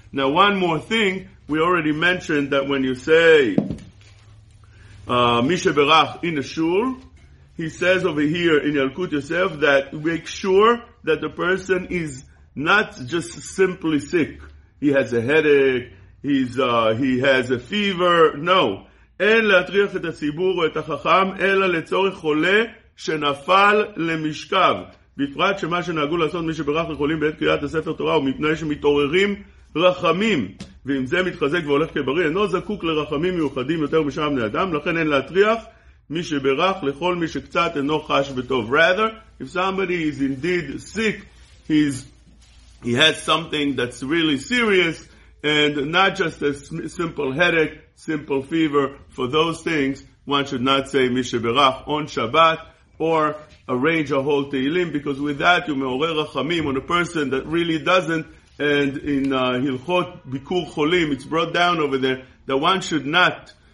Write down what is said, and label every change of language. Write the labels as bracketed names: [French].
[English] Now, one more thing. We already mentioned that when you say Mishe Berach in a shul, he says over here in Yalkut Yosef that make sure that the person is not just simply sick. He has a headache. He has a fever. No. [Hebrew] אין להטריח את הציבור או את החכם, אלא לצורך חולה שנפל למשכב. בפרט שמה שנהגו לעשות מי שברך לחולים בעת קריאת הספר תורה, הוא מפני שמתעוררים רחמים. ואם זה מתחזק והולך כבריא, אינו זקוק לרחמים מיוחדים יותר משאר בני אדם, לכן אין להטריח מי שברך לכל מי שקצת אינו חש בטוב. [English] Rather, if somebody is indeed sick, he has something that's really serious, and not just a simple headache, simple fever, for those things, one should not say Mishe Berach on Shabbat or arrange a whole Tehilim, because with that you me'orer rachamim on a person that really doesn't, and in Hilchot Bikur Cholim, it's brought down over there, that one should not